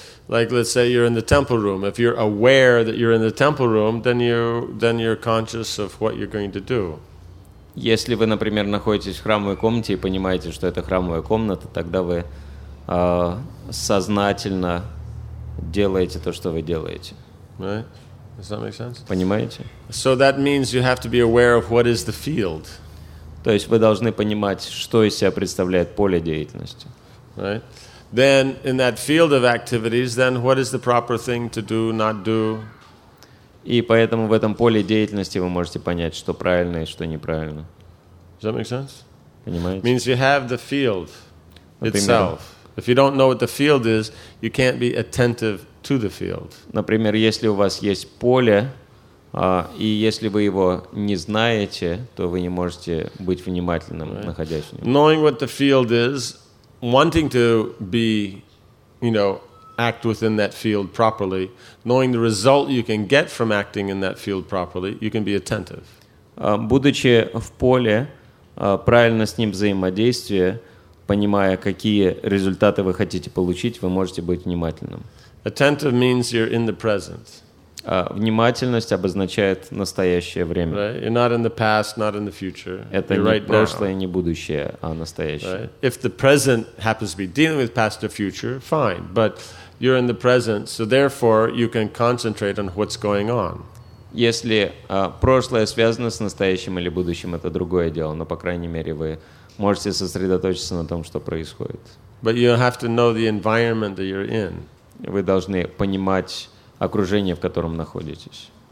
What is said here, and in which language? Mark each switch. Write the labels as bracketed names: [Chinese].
[English] Like, let's say you're in the temple room. If you're aware that you're in the temple room, then you're conscious of what you're going to do. [Russian] Если вы, например, находитесь в храмовой комнате и понимаете, что это храмовая комната, тогда вы сознательно делаете то, что вы делаете. [English] Right? Does that make sense? [Russian] Понимаете? [English] So that means you have to be aware of what is the field. [Russian] То есть вы должны понимать, что из себя представляет поле деятельности. [English] Right? Then in that field of activities, then what is the proper thing to do, not do? [Russian] И поэтому в этом поле деятельности вы можете понять, что правильно и что неправильно. [English] Does that make sense? [Russian] Понимаете? [English] Means you have the field itself. If you don't know what the field is, you can't be attentive to the field. [Russian] Например, если у вас есть поле, и если вы его не знаете, то вы не можете быть внимательным, right, находясь в нем. [English] Knowing what the field is, wanting to be, you know, act within that field properly, knowing the result you can get from acting in that field properly, you can be attentive. [Russian] Будучи в поле, правильно с ним взаимодействуя, понимая, какие результаты вы хотите получить, вы можете быть внимательным. [English] Attentive means you're in the present. [Russian] Внимательность обозначает настоящее время. [English] Right? You're not in the past, not in the future. [Russian] Это [English] you're [Russian] не [English] right [Russian] прошлое, [English] now. [Russian] Не будущее, а настоящее. Right? [English] If the present happens to be dealing with past or future, fine. But you're in the present, so therefore you can concentrate on what's going on. [Russian] Если прошлое связано с настоящим или будущим, это другое дело. Но, по крайней мере, вы можете сосредоточиться на том, что происходит. [English] But you have to know the environment that you're in. [Russian] Вы должны понимать окружение, в котором находитесь.